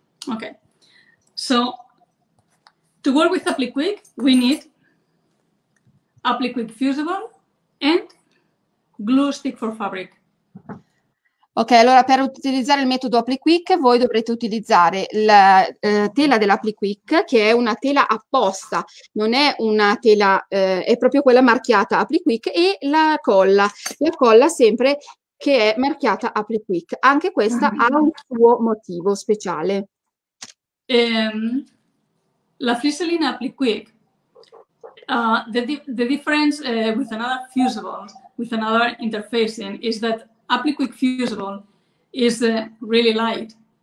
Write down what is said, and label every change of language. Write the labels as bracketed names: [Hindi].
[English] Okay, so to work with AppliQuick, we need AppliQuick Fusible and glue stick for fabric. [Italian] Ok, allora per utilizzare il metodo AppliQuick, voi dovrete utilizzare la tela dell'AppliQuick, che è una tela apposta, non è una tela, è proprio quella marchiata AppliQuick, e la colla sempre che è marchiata AppliQuick. Anche questa ha un suo motivo speciale. [English] La fusiline AppliQuick, the difference with another fusible, with another interfacing, is that AppliQuick fusible is really light.